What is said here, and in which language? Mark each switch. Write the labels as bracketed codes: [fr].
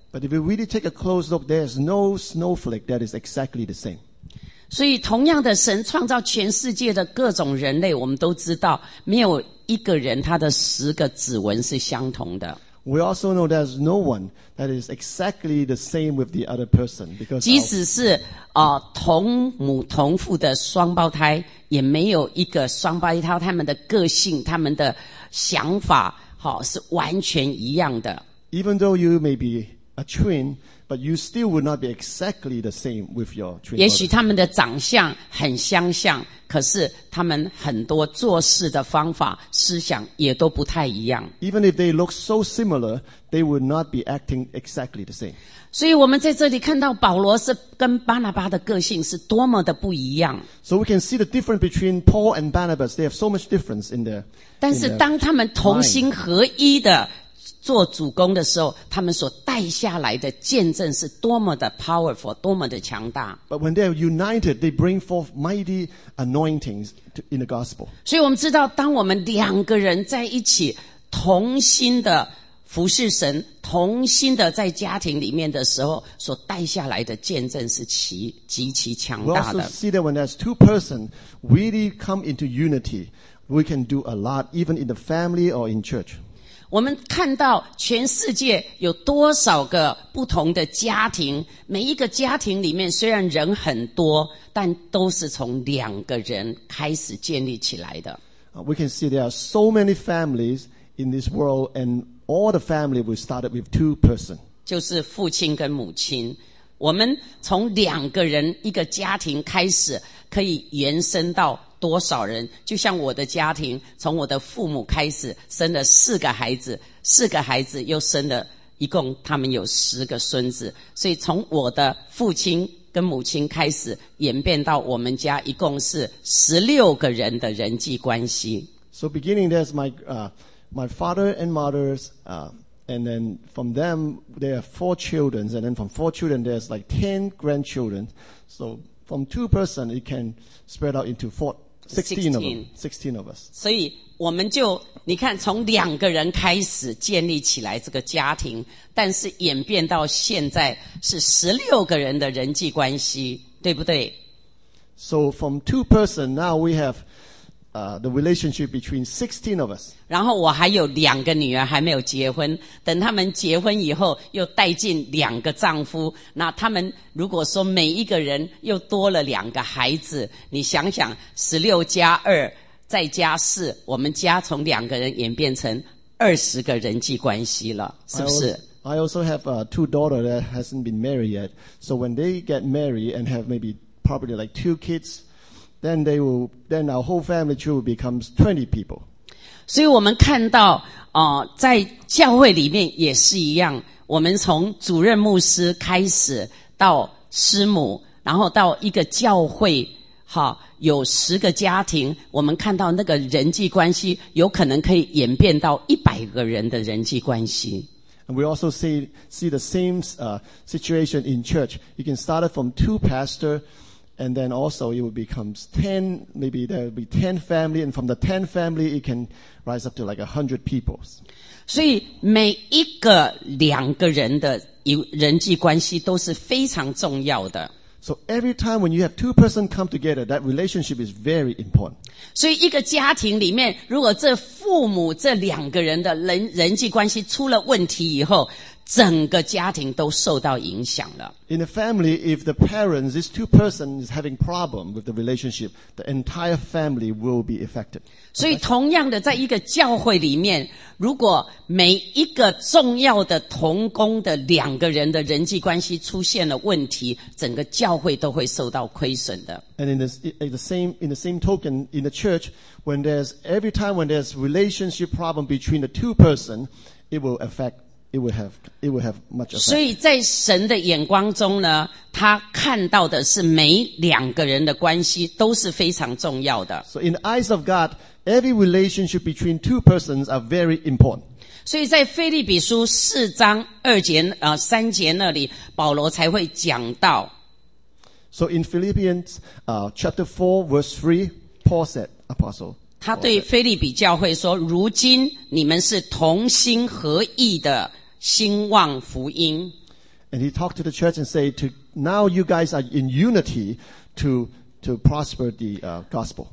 [en] But if you really take a close look, there's no snowflake that is exactly the same. [zh] 所以同样的，神创造全世界的各种人类，我们都知道没有一个人他的十个指纹是相同的。 [en] We also know there's no one that is exactly the same with the other person because [zh] 即使是同母同父的双胞胎，也没有一个双胞胎他们的个性、他们的想法，好，是完全一样的。 [en] Even though you may be a twin, but you still would not be exactly the same with your twin brother. [zh] 也许他们的长相很相像，可是他们很多做事的方法、思想也都不太一样。 [en] Even if they look so similar, they would not be acting exactly the same. [zh] 所以我们在这里看到保罗是跟巴拿巴的个性是多么的不一样。 [en] So we can see the difference between Paul and Barnabas. They have so much difference in their. [zh] 但是当他们同心合一的做主工的时候，他们所带下来的见证是多么的 powerful， 多么的强大。 [en] But when they are united, they bring forth mighty anointings in the gospel. [zh] 所以我们知道，当我们两个人在一起同心的服侍神，同心的在家庭里面的时候，所带下来的见证是极其强大的。 [en] We also see that when there's two persons really come into unity, we can do a lot, even in the family or in church. [zh] 我们看到全世界有多少个不同的家庭，每一个家庭里面虽然人很多，但都是从两个人开始建立起来的。 [en] We can see there are so many families in this world, and all the family was started with two persons. [zh] 就是父亲跟母亲。我们从两个人一个家庭开始，可以延伸到多少人，就像我的家庭，从我的父母开始生了四个孩子，四个孩子又生了，一共他们有十个孙子，所以从我的父亲跟母亲开始演变到我们家一共是十六个人的人际关系。 [en] So beginning there's my father and mother's and then from them there are four children, and then from four children there's like 10 grandchildren. SoFrom two persons, it can spread out into four, 16 of us. [zh] 所以我们就你看，从两个人开始建立起来这个家庭，但是演变到现在是十六个人的人际关系，对不对 [en] ？So from two persons, now we have the relationship between 16 of us. [zh] 然后我还有两个女儿还没有结婚，等他们结婚以后又带进两个丈夫，那他们如果说每一个人又多了两个孩子，你想想16加2再加4，我们家从两个人演变成20个人际关系了，是不是？ [en] I also have two daughters that hasn't been married yet. So when they get married and have maybe probably like two kidsThen our whole family tree becomes 20 people. [zh] 所以我们看到在教会里面也是一样，我们从主任牧师开始到师母，然后到一个教会有十个家庭，我们看到那个人际关系有可能可以演变到100个人的人际关系。 [en] And we also see the same situation in church. You can start it from two pastors,And then also it will become 10, maybe there will be 10 family, and from the 10 family it can rise up to like 100 people. [zh] 所以每一个两个人的人际关系都是非常重要的。 [en] So every time when you have two persons come together, that relationship is very important. [zh] 所以一个家庭里面，如果这父母这两个人的人际关系出了问题以后，整个家庭都受到影响了。 [en] In a family, if the parents, these two persons, is having problem with the relationship, the entire family will be affected. [zh] 所以同样的，在一个教会里面，如果每一个重要的同工的两个人的人际关系出现了问题，整个教会都会受到亏损的。 [en] And in the same token, in the church, when there's every time when there's relationship problem between the two persons, it will affect it will have much effect. [zh] 所以在神的眼光中呢，他看到的是每两个人的关系都是非常重要的。 [en] So in the eyes of God, every relationship between two persons are very important. [zh] 所以在腓立比书四章二节三节那里，保罗才会讲到。 [en] So in Philippians chapter 4 verse 3, Paul said, Apostle, [zh] 他对腓立比教会说，如今你们是同心合意的兴旺福音。 [en] And he talked to the church and said, now you guys are in unity to prosper the gospel.